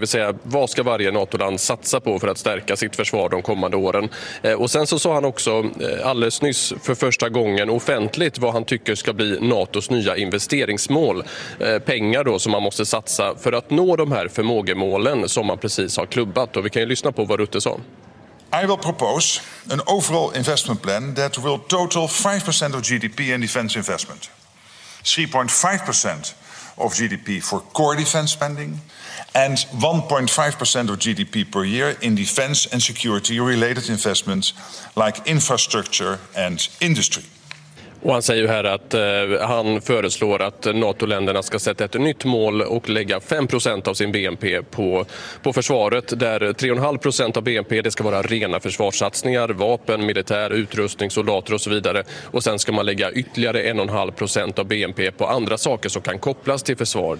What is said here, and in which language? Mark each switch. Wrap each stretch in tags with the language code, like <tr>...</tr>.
<sv>Det vill säga, vad ska varje NATO-land satsa på för att stärka sitt försvar de kommande åren? Och sen så sa han också alldeles nyss för första gången offentligt vad han tycker ska bli NATOs nya investeringsmål. Pengar då som man måste satsa för att nå de här förmågemålen som man precis har klubbat. Och vi kan ju lyssna på vad Rutte sa.</sv> <en>I will propose an overall investment plan that will total 5% of GDP in defense investment, 3.5% of GDP for core defense spending, and 1.5% of GDP per year in defense and security related investments like infrastructure and industry.</en> <sv>Och han säger ju här att han föreslår att NATO-länderna ska sätta ett nytt mål och lägga 5% av sin BNP på försvaret, där 3,5% av BNP det ska vara rena försvarssatsningar, vapen, militär, utrustning, soldater och så vidare. Och sen ska man lägga ytterligare 1,5% av BNP på andra saker som kan kopplas till försvar.</sv>